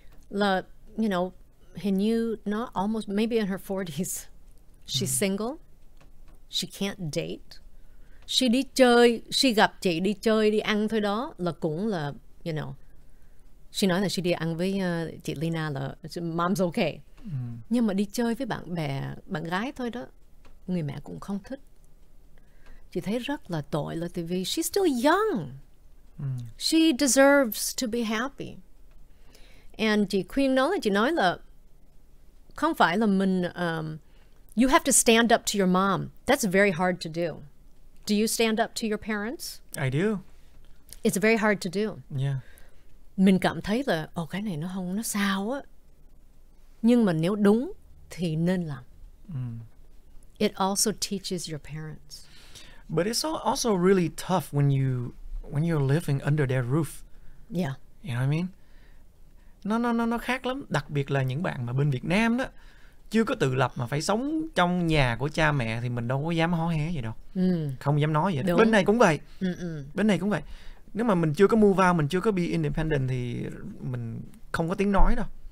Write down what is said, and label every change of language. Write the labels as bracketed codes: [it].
[en] Là, you know, [vi] hình như [en] not almost, maybe in her 40s. She's single. She can't date. She [vi] đi chơi. She gặp chị đi chơi, đi ăn thôi đó. Là cũng là, you know. She nói là she đi ăn với chị Lina là mom's okay. Nhưng mà đi chơi với bạn bè, bạn gái thôi đó, người mẹ cũng không thích. Chị thấy rất là tội là tại vì [en] she's still young. She deserves to be happy. [vi] And chị khuyên nó là chị nói là không phải là mình [en] you have to stand up to your mom. That's very hard to do. Do you stand up to your parents? I do. It's very hard to do. Yeah. [vi] Mình cảm thấy là ồ cái này nó không nó sao á. Nhưng mà nếu đúng thì nên làm. [en] It also teaches your parents. But it's also really tough when you're living under their roof. Yeah. You know what I mean? [vi] Nó khác lắm, đặc biệt là những bạn mà bên Việt Nam đó chưa có tự lập mà phải sống trong nhà của cha mẹ thì mình đâu có dám hó hé gì đâu. Không dám nói vậy. Bên này cũng vậy. Bên này cũng vậy. Nếu mà mình chưa có move out, mình chưa có [en] be independent [vi] thì mình không có tiếng nói đâu.